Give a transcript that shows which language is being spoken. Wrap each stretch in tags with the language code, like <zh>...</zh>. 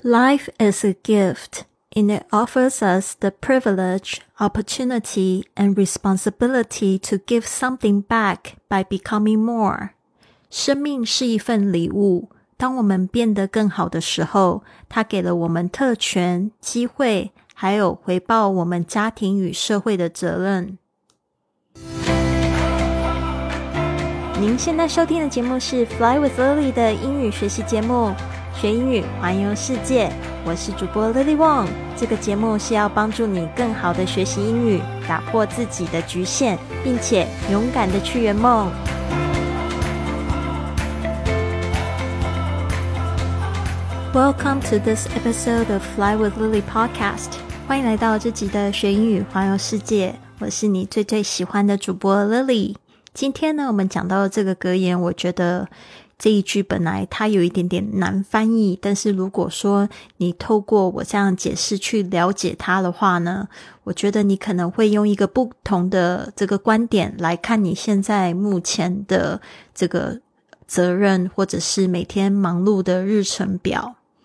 <en>Life is a gift, and it offers us the privilege, opportunity, and responsibility to give something back by becoming more.</en> <zh>生命是一份礼物，当我们变得更好的时候，它给了我们特权、机会，还有回报我们家庭与社会的责任。您现在收听的节目是 Fly with Lily 的英语学习节目，学英语环游世界，我是主播 Lily Wong。这个节目是要帮助你更好的学习英语，打破自己的局限，并且勇敢的去圆梦。</zh> <en>Welcome to this episode of Fly with Lily podcast.</en> <zh>欢迎来到这集的学英语环游世界，我是你最最喜欢的主播 Lily。今天呢，我们讲到的这个格言，我觉得这一句本来它有一点点难翻译，但是如果说你透过我这样解释去了解它的话呢，我觉得你可能会用一个不同的这个观点来看你现在目前的这个责任，或者是每天忙碌的日程表。</zh>